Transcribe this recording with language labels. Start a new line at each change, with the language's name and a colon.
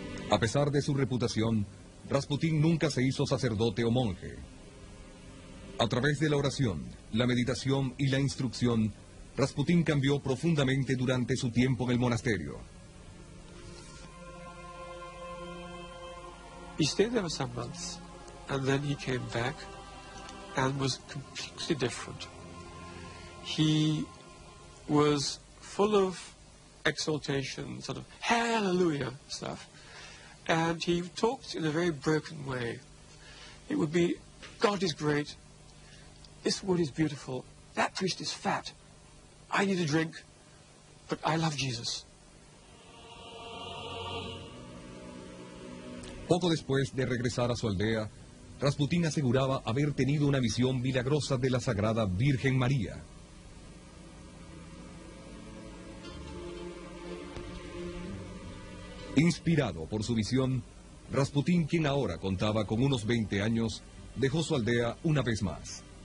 Spanish: A pesar de su reputación, Rasputin nunca se hizo sacerdote o monje. A través de la oración, la meditación y la instrucción, Rasputín cambió profundamente durante su tiempo en el monasterio.
English: He stayed there for some months, and then he came back and was completely different. He was full of exaltation, sort of hallelujah stuff, and he talked in a very broken way. It would be, God is great. This wood is beautiful. That priest is fat. I need a drink, but I love Jesus.
Spanish: Poco después de regresar a su aldea, Rasputín aseguraba haber tenido una visión milagrosa de la Sagrada Virgen María. Inspirado por su visión, Rasputín, quien ahora contaba con unos 20 años, dejó su aldea una vez más.